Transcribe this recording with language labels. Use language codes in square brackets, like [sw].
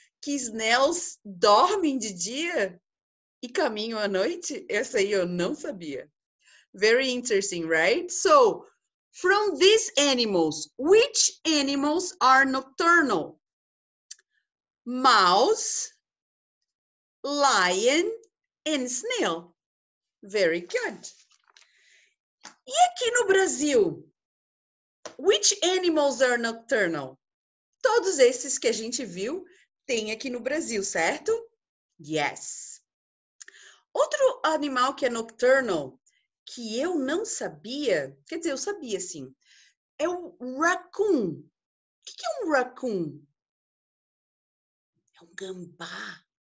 [pt] Que snails dormem de dia e caminham à noite? Essa aí eu não sabia. [en] Very interesting, right? So, from these animals, which animals are nocturnal? Mouse, lion, and snail. Very good. [pt] E aqui no Brasil, [en] which animals are nocturnal? [pt] Todos esses que a gente viu tem aqui no Brasil, certo? Yes. Outro animal que é nocturnal, que eu não sabia, quer dizer, eu sabia sim, é o raccoon. O que é um raccoon? É um gambá.